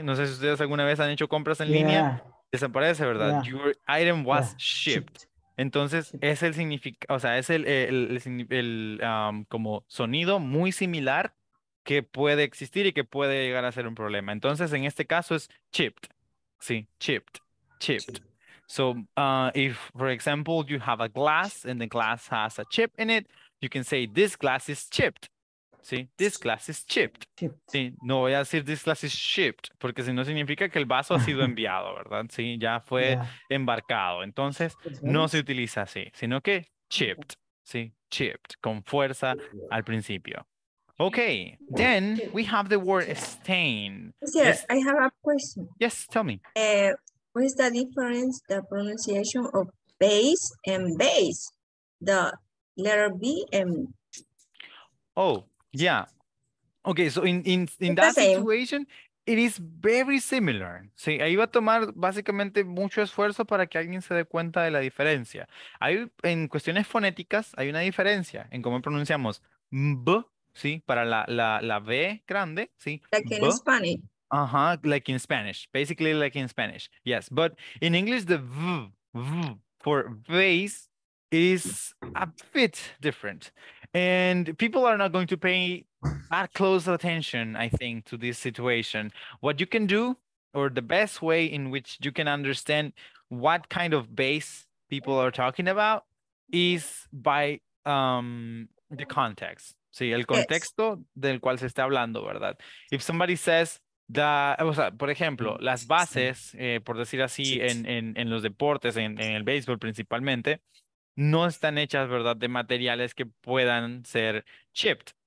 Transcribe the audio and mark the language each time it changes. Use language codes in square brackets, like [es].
[es] No sé si ustedes alguna vez han hecho compras en línea. Desaparece, ¿verdad? [en] Your item was shipped. [es] Entonces, es el significado, o sea, es el como sonido muy similar que puede existir y que puede llegar a ser un problema. Entonces, en este caso es chipped. Sí, chipped, chipped. [en] So, if, for example, you have a glass and the glass has a chip in it, you can say, this glass is chipped. [es] Sí, [en] this glass is chipped. [es] Sí, no voy a decir [en] this glass is shipped, [es] porque si no significa que el vaso ha sido enviado, ¿verdad? Sí, ya fue embarcado. Entonces, no se utiliza así, sino que chipped, sí, chipped, con fuerza al principio. [en] Okay, then we have the word stain. Yes, I have a question. Yes, tell me. What is the difference, the pronunciation of base and base? The letter B and... Oh. Yeah. Okay, so in that situation, it is very similar. [es] Sí, ahí va a tomar básicamente mucho esfuerzo para que alguien se dé cuenta de la diferencia. Hay, en cuestiones fonéticas, hay una diferencia en cómo pronunciamos b, sí, para la b grande, sí. [en] Like in Spanish. Uh-huh, like in Spanish. Basically like in Spanish. Yes, but in English, the v for base is a bit different. And people are not going to pay that close attention, I think, to this situation. What you can do, or the best way in which you can understand what kind of base people are talking about, is by the context. [es] Sí, el contexto del cual se está hablando, ¿verdad? [en] If somebody says, [es] por ejemplo, las bases, por decir así, en los deportes, en el béisbol principalmente, no están hechas, ¿verdad?, de materiales que puedan ser chipped.